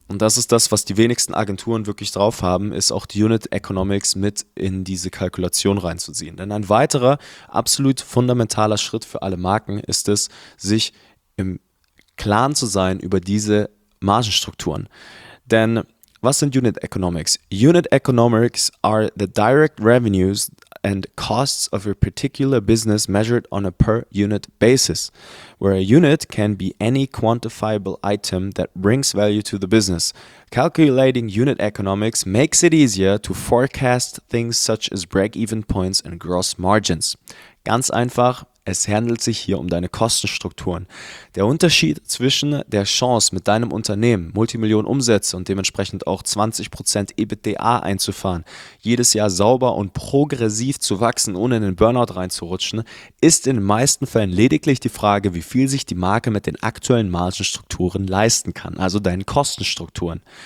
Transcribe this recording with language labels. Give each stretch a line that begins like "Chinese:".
German: Und das ist das, was die wenigsten Agenturen wirklich drauf haben, ist auch die Unit Economics mit in diese Kalkulation reinzuziehen. Denn ein weiterer absolut fundamentaler Schritt für alle Marken ist es, sich im Klaren zu sein über diese Margenstrukturen. Denn was sind Unit Economics?
English: Unit Economics are the direct revenues and costs of a particular business measured on a per unit basis, where a unit can be any quantifiable item that brings value to the business. Calculating unit economics makes it easier to forecast things such as break-even points and gross margins.
German: Ganz einfach, es handelt sich hier um deine Kostenstrukturen. Der Unterschied zwischen der Chance, mit deinem Unternehmen Multimillionen Umsätze und dementsprechend auch 20% EBITDA einzufahren, jedes Jahr sauber und progressiv zu wachsen, ohne in den Burnout reinzurutschen, ist in den meisten Fällen lediglich die Frage, wie viel sich die Marke mit den aktuellen Margenstrukturen leisten kann, also deinen Kostenstrukturen.